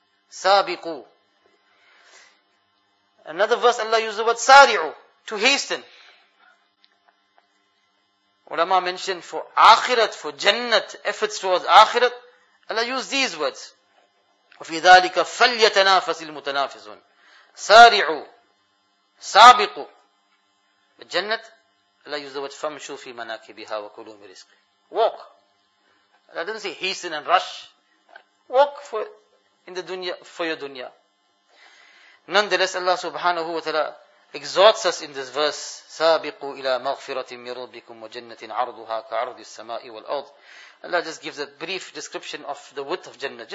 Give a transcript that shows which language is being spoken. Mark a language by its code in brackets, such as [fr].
[ar] Sabiqu. [en] Another verse, Allah used the word sari'u, to hasten. Ulama mentioned for akhirat, for jannat, efforts towards akhirat, Allah used these words. [ar] وَفِي ذَلِكَ فَلْيَتَنَافَسِ الْمُتَنَافِسُونَ سَارِعُوا سَابِقُوا [en] But jannat, Allah used the word [ar] فَمْشُوا فِي مَنَاكِبِهَا وَكُلُوا مِ رِزْقِ [en] Walk. Allah didn't say hasten and rush. Walk for your dunya. Nonetheless, Allah subhanahu wa ta'ala exhorts us in this verse, [ar] سَابِقُوا إِلَى مَغْفِرَةٍ مِّن رَبِّكُمْ وَجَنَّةٍ عَرْضُهَا كَعَرْضِ السَّمَاءِ وَالْأَرْضِ [en] Allah just gives a brief description of the width of Jannah.